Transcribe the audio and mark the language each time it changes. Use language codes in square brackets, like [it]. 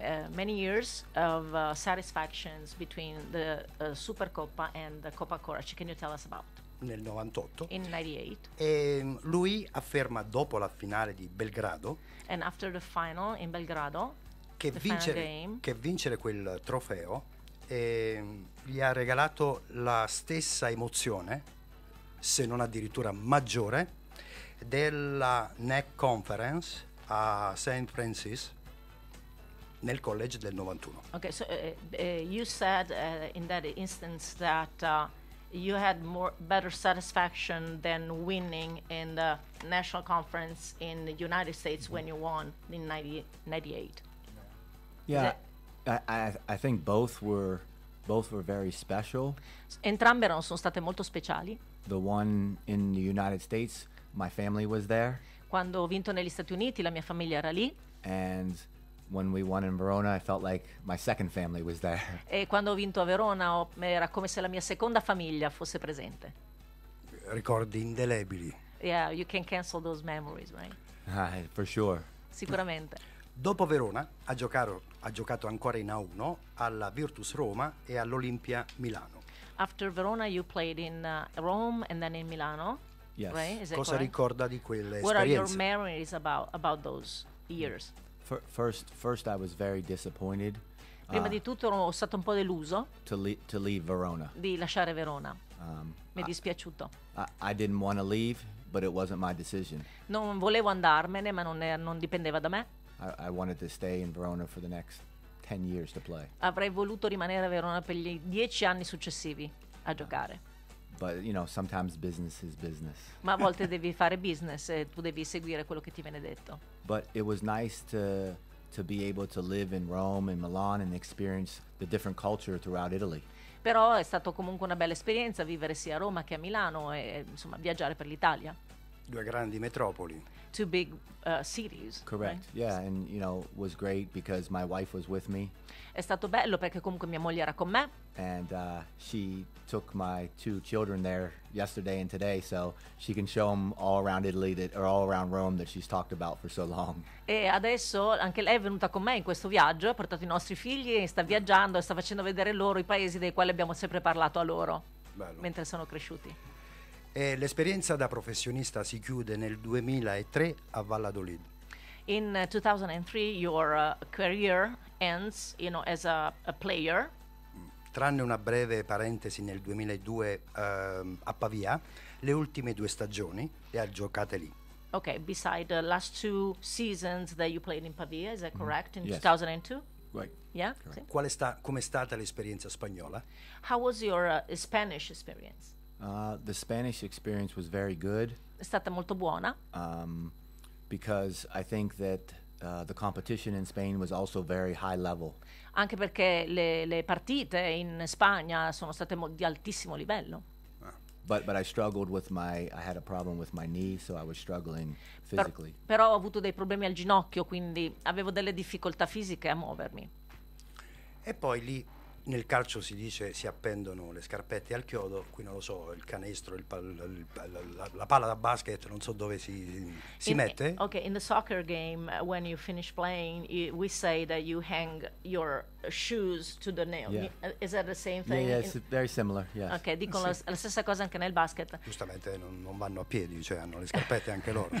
[en] Many years of satisfactions between the Supercoppa and the Coppa Korać. Can you tell us about? [it] Nel 98. [en] In 98. [it] E lui afferma dopo la finale di Belgrado. [en] And after the final in Belgrado. [it] Che vincere quel trofeo gli ha regalato la stessa emozione, se non addirittura maggiore, della NEC Conference a St. Francis nel college del 91. [en] Okay, so you said in that instance that you had more better satisfaction than winning in the national conference in the United States when you won in 1998. Yeah, I think both were very special. [it] Entrambe erano, sono state molto speciali. [en] The one in the United States, my family was there. [it] Quando ho vinto negli Stati Uniti, la mia famiglia era lì. [en] And when we won in Verona, I felt like my second family was there. [it] E quando ho vinto a Verona, era come se la mia seconda famiglia fosse presente. Ricordi indelebili. [en] Yeah, you can cancel those memories, right? For sure. [it] Sicuramente. Dopo Verona, ha giocato ancora in A1 alla Virtus Roma e all'Olimpia Milano. [en] After Verona, you played in Rome and then in Milano. Yes. Right? [it] Cosa [en] correct? [it] Ricorda di quelle [en] what [it] esperienze? [en] What are your memories about those years? First, I was very disappointed. [it] Prima di tutto, ero stato un po' deluso. [en] To leave Verona. [it] Di lasciare Verona. Mi è dispiaciuto. [en] I didn't want to leave, but it wasn't my decision. [it] Non volevo andarmene, ma non dipendeva da me. [en] I wanted to stay in Verona for the next 10 years to play. [it] Avrei voluto rimanere a Verona per gli 10 anni successivi a giocare. [en] But you know, sometimes business is business. [it] Ma a volte devi fare business e tu devi seguire quello che ti viene detto. [en] But it was nice to be able to live in Rome and Milan and experience the different culture throughout Italy. [it] Però è stato comunque una bella esperienza vivere sia a Roma che a Milano e insomma viaggiare per l'Italia. Due grandi metropoli. [en] Two big cities. Correct. Right? Yeah, and you know, was great because my wife was with me. [it] È stato bello perché comunque mia moglie era con me. [en] And she took my two children there yesterday and today, so she can show them all around Italy that are all around Rome that she's talked about for so long. [it] E adesso anche lei è venuta con me in questo viaggio, ha portato i nostri figli, sta viaggiando e sta facendo vedere loro i paesi dei quali abbiamo sempre parlato a loro. Bello. Mentre sono cresciuti. E l'esperienza da professionista si chiude nel 2003 a Valladolid. [en] In 2003 your career ends, you know, as a player. [it] Tranne una breve parentesi nel 2002 a Pavia, le ultime due stagioni le ha giocate lì. [en] Okay, beside the last two seasons that you played in Pavia, is that correct? Mm-hmm. yes. 2002? Right. Yeah. Correct. [it] Com'è stata l'esperienza spagnola? [en] How was your Spanish experience? The Spanish experience was very good. [it] È stata molto buona. [en] Because I think that the competition in Spain was also very high level. [it] Anche perché le partite in Spagna sono state di altissimo livello. [en] But I struggled with I had a problem with my knee, so I was struggling physically. [it] Però ho avuto dei problemi al ginocchio, quindi avevo delle difficoltà fisiche a muovermi. E poi lì nel calcio si dice si appendono le scarpette al chiodo, qui non lo so, il canestro, la palla da basket, non so dove si mette. [en] Okay, in the soccer game, when you finish playing, we say that you hang your shoes to the nail. Yeah. Is that the same thing? Yeah, it's very similar, yes. [it] Okay, dicono la stessa cosa anche nel basket. Giustamente non vanno a piedi, cioè hanno le scarpette anche loro.